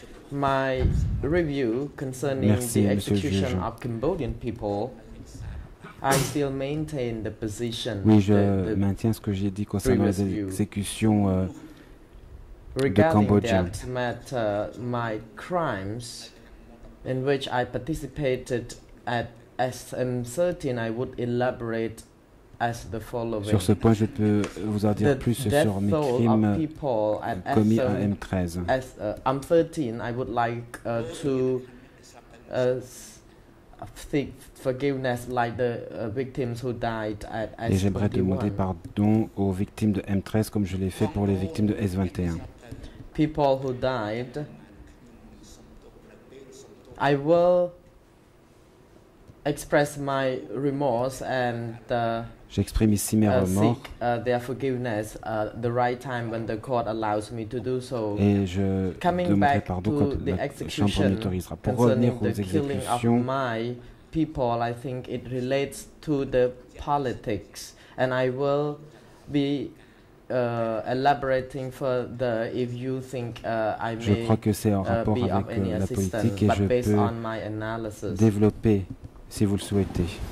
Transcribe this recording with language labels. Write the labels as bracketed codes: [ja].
[en] My review concerning the execution of Cambodian people, I still maintain the position. [fr] Oui, je maintiens ce que j'ai dit concernant les exécutions de Cambodgiens. [en] Regarding that matter, my crimes, in which I participated at M13, I would elaborate as the following. [fr] Sur ce point, je peux vous en dire plus sur mes crimes commis à M13. [en] M13, I would like to seek forgiveness like the victims who died at S21. [fr] Et j'aimerais demander pardon aux victimes de M13 comme je l'ai fait pour les victimes de S21. [en] People who died, I will express my remorse and [fr] j'exprime ici mes remords. [en] Seek their forgiveness the right time when the court allows me to do so. [fr] Et je demanderai pardon quand la chambre m'autorisera. Pour revenir aux exécutions, [en] my people, I think it relates to the politics, and I will be elaborating further if you think I may [fr] je crois que c'est en rapport avec la politique, et je peux [en] on my analysis, [fr] développer si vous le souhaitez.